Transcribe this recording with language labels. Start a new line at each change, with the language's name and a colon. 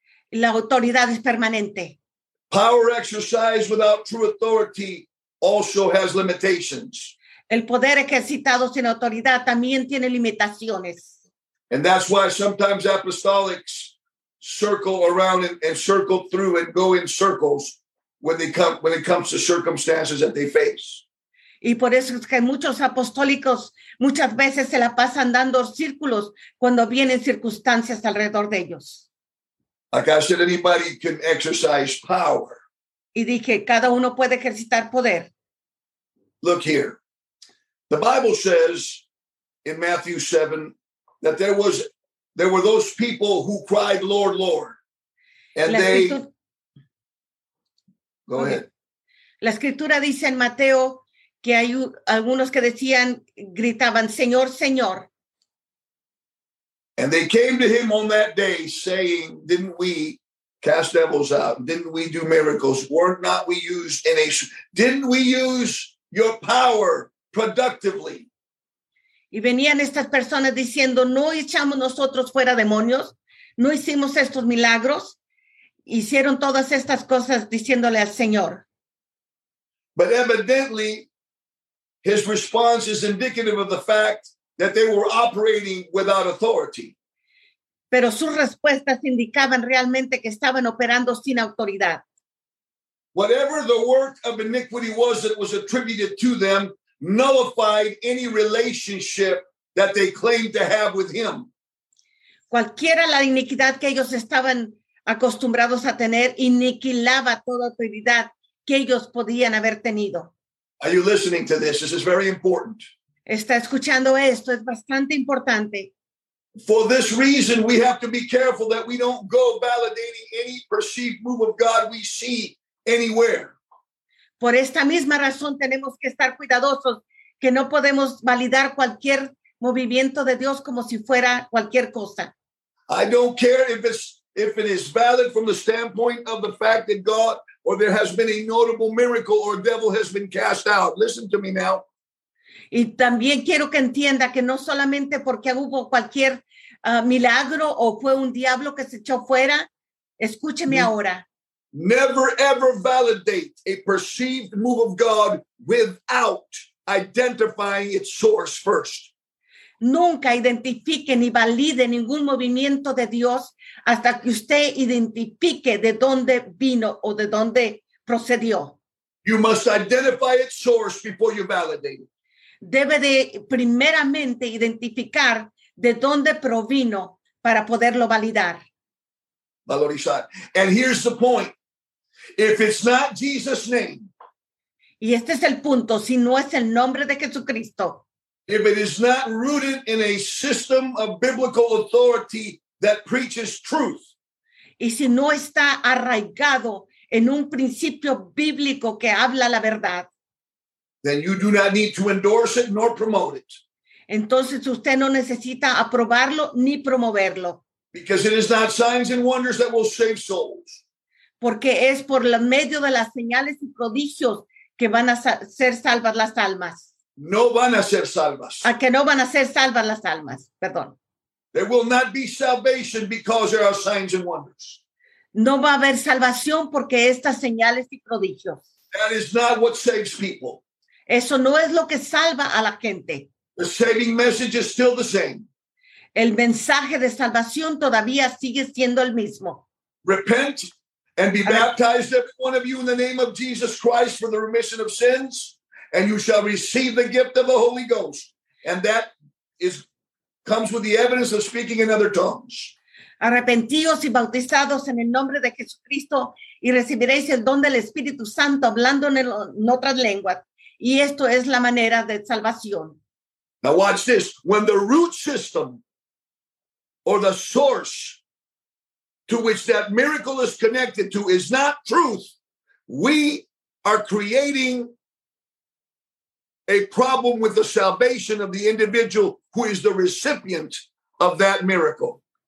Spanish: La autoridad es permanente.
English: Power exercised without true authority also has limitations.
Spanish: El poder ejercitado sin autoridad también tiene limitaciones.
English: And that's why sometimes apostolics circle around and circle through and go in circles when it comes to circumstances that they face.
Spanish: Y por eso es que muchos apostólicos muchas veces se la pasan dando círculos cuando vienen circunstancias alrededor de ellos.
English: Like I said, anybody can exercise power.
Spanish: Y dije, cada uno puede ejercitar poder.
English: Look here. The Bible says in Matthew 7 that there were those people who cried, Lord, Lord. And Go ahead.
Spanish: La escritura dice en Mateo que hay algunos que decían, gritaban, Señor, Señor.
English: And they came to him on that day saying, didn't we cast devils out? Didn't we do miracles? Were not we used in a... Didn't we use your power productively?
Spanish: Y venían estas personas diciendo, ¿no echamos nosotros fuera demonios? ¿No hicimos estos milagros? Hicieron todas estas cosas diciéndole al Señor.
English: But evidently, his response is indicative of the fact that they were operating without authority.
Spanish: Pero sus respuestas indicaban realmente que estaban operando sin autoridad.
English: Whatever the work of iniquity was that was attributed to them nullified any relationship that they claimed to have with him.
Spanish: Cualquiera la iniquidad que ellos estaban acostumbrados a tener aniquilaba toda autoridad que ellos podían haber tenido.
English: Are you listening to this? This is very important.
Spanish: Está escuchando esto, es bastante importante.
English: For this reason, we have to be careful that we don't go validating any perceived move of God we see anywhere.
Spanish: Por esta misma razón, tenemos que estar cuidadosos que no podemos validar cualquier movimiento de Dios como si fuera cualquier cosa.
English: I don't care if it is valid from the standpoint of the fact that God or there has been a notable miracle or devil has been cast out. Listen to me now.
Spanish: Y también quiero que entienda que no solamente porque hubo cualquier milagro o fue un diablo que se echó fuera. Escúcheme ahora.
English: Never ever validate a perceived move of God without identifying its source first.
Spanish: Nunca identifique ni valide ningún movimiento de Dios hasta que usted identifique de dónde vino o de dónde procedió.
English: You must identify its source before you validate it.
Spanish: Debe de primeramente identificar de dónde provino para poderlo validar. Valorizar.
English: And here's the point. If it's not Jesus' name.
Spanish: Y este es el punto. Si no es el nombre de Jesucristo.
English: If it is not rooted in a system of biblical authority that preaches truth.
Spanish: Y si no está arraigado en un principio bíblico que habla la verdad.
English: Then you do not need to endorse it nor promote it.
Spanish: Entonces usted no necesita aprobarlo ni promoverlo.
English: Because it is not signs and wonders that will save souls.
Spanish: Porque es por el medio de las señales y prodigios que van a ser salvas las almas. No van a ser salvas. A que no van a ser salvas las almas, perdón.
English: There will not be salvation because there are signs and wonders.
Spanish: No va a haber salvación porque estas señales y prodigios.
English: That is not what saves people.
Spanish: Eso no es lo que salva a la gente.
English: The saving message is still the same.
Spanish: El mensaje de salvación todavía sigue siendo el mismo.
English: Repent and be baptized every one of you in the name of Jesus Christ for the remission of sins, and you shall receive the gift of the Holy Ghost. And that is comes with the evidence of speaking in other tongues.
Spanish: Arrepentíos y bautizados en el nombre de Jesucristo y recibiréis el don del Espíritu Santo hablando en otras lenguas. Y esto es la manera de salvación.
English: Now watch this. When the root system or the source to which that miracle is connected to is not truth, we are creating a problem with the salvation of the individual who is the recipient of that miracle.